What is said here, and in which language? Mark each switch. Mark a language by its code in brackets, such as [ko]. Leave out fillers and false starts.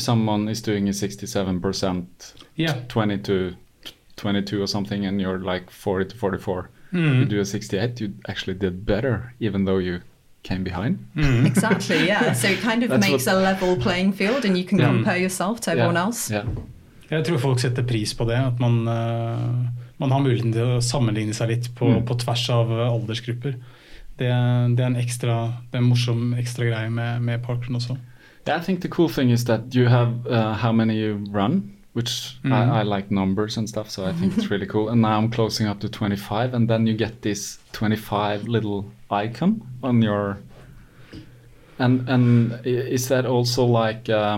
[en] someone is doing a 67%, 20 to 22 or something, and you're like 40 to 44, you do a 68, you actually did better, even though you came behind. Mm. Exactly, yeah. So it kind of makes a level playing field and you can compare yourself to everyone else. Yeah. [no] Jeg tror folk setter pris på det, at man har muligheten til å sammenligne seg litt på tvers av aldersgrupper. Det en ekstra, det en morsom ekstra greie med parkrun også. [en] Yeah, I think the cool thing is that you have how many you run, which I like numbers and stuff, so I think it's really cool. And now I'm closing up to 25, and then you get this 25 little icon on your... And is that also like...